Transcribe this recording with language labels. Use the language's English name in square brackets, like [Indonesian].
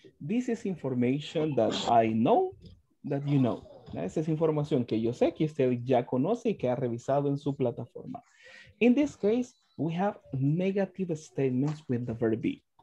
[English] This is information that I know that you know. [Spanish] Esa es información que yo sé que usted ya conoce y que ha revisado en su plataforma. [English] In this case, we have negative statements with the verb be.